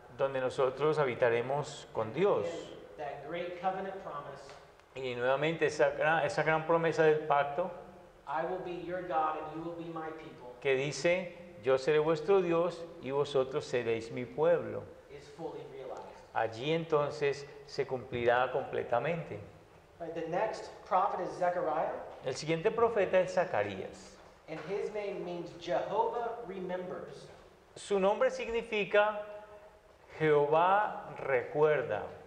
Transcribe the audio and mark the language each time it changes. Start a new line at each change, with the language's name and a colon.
Spanish: donde nosotros habitaremos con Dios.
English: That great covenant promise,
Spanish: y nuevamente esa gran promesa del pacto,
English: I will be your God and you will be my people,
Spanish: que dice, yo seré vuestro Dios y vosotros seréis mi pueblo.
English: Is fully realized.
Spanish: Allí entonces se cumplirá completamente.
English: The next prophet is Zechariah.
Spanish: El siguiente profeta es Zacarías.
English: And his name means Jehovah remembers.
Spanish: Su nombre significa Jehová recuerda.